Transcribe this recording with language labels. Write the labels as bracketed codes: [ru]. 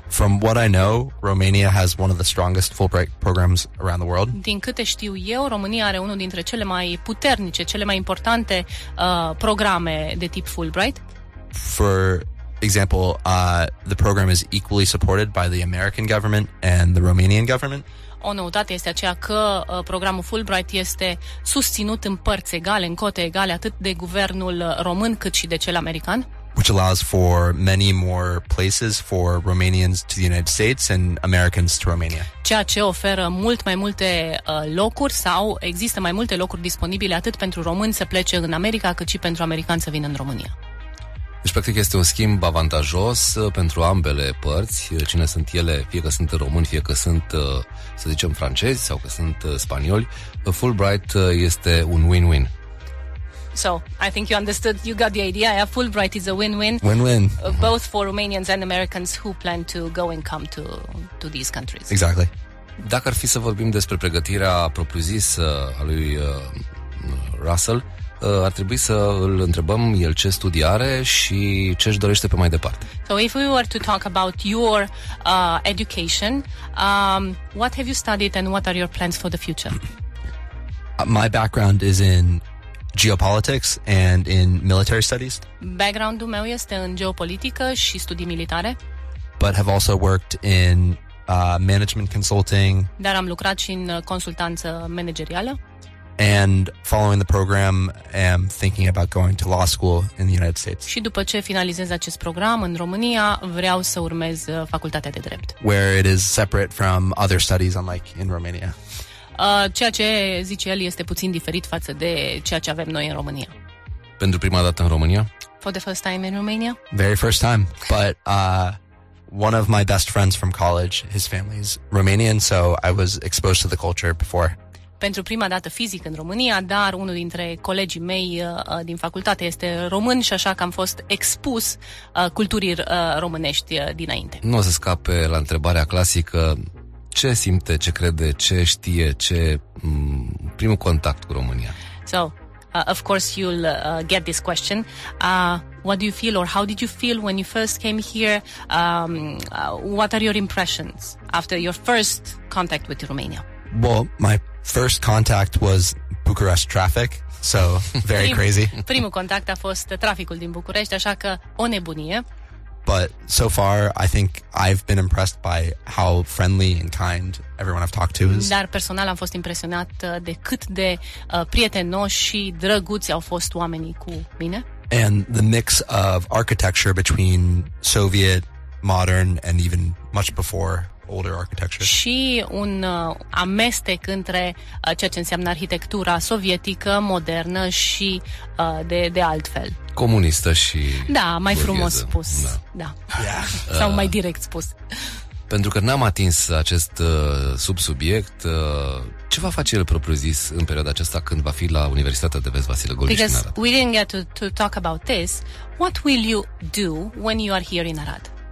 [en] From what I know, Romania has one of the strongest Fulbright programs around the world. [ro] Din câte știu eu, România are unul dintre cele mai puternice, cele mai importante programe de tip Fulbright. [en] For example, the program is equally supported by the American government and the Romanian government. [ro] O noutate este aceea că programul Fulbright este susținut în părți egale, în cote egale, atât de guvernul român cât și de cel american. [en] Which allows for many more places for Romanians to the United States and Americans to Romania. [ro] Ceea ce oferă mult mai multe locuri sau există mai multe locuri disponibile atât pentru români să plece în America cât și pentru americani să vină în România. Deci, practic, este un schimb avantajos pentru ambele părți, cine sunt ele, fie că sunt români, fie că sunt, să zicem, francezi sau că sunt spanioli. Fulbright este un win-win. [en] So, I think you understood, you got the idea. Yeah, Fulbright is a win-win. Win-win. Both for Romanians and Americans who plan to go and come to these countries. Exactly. [ro] Dacă ar fi să vorbim despre pregătirea propriu-zis a lui Russell, ar trebui să îl întrebăm el ce studiare și ce își dorește pe mai departe. [en] So, if we were to talk about your education, what have you studied and what are your plans for the future? My background is in geopolitics and in military studies. [ro] Background-ul meu este în geopolitică și studii militare. [en] But have also worked in management consulting. [ro] Dar am lucrat și în consultanță managerială. [en] And following the program, am thinking about going to law school in the United States. [ro] Și după ce finalizez acest program în România, vreau să urmez facultatea de drept. [en] Where it is separate from other studies, unlike in Romania. [ro] Ceea ce zice el este puțin diferit față de ceea ce avem noi în România. Pentru prima dată în România? [en] For the first time in Romania? Very first time, but one of my best friends from college, his family is Romanian, so I was exposed to the culture before. [ro] Pentru prima dată fizic în România, dar unul dintre colegii mei din facultate este român și așa că am fost expus culturii românești dinainte. Nu o să scape la întrebarea clasică. Ce simte, ce crede, ce știe, ce primul contact cu România? [en] So, of course you'll get this question. What do you feel or how did you feel when you first came here? What are your impressions after your first contact with Romania? Well, my first contact was Bucharest traffic, so very crazy. [ro] Primul contact a fost traficul din București, așa că o nebunie. [en] But so far, I think I've been impressed by how friendly and kind everyone I've talked to is. [ro] Dar personal am fost impresionat de cât de prietenoși și drăguți au fost oamenii cu mine. [en] And the mix of architecture between Soviet, modern, and even much before older architecture. [ro] Și un amestec între ceea ce înseamnă arhitectura sovietică, modernă și de altfel. Comunistă și... Da, mai burgheză. Frumos spus. Da. [en] Yeah. [ro] Sau mai direct spus. Pentru că n-am atins acest subsubiect, ce va face el propriu-zis în perioada aceasta când va fi la Universitatea de Vest Vasile Gorici în Arad? [en] Because we didn't get to talk about this. What will you do when you are here in Arad?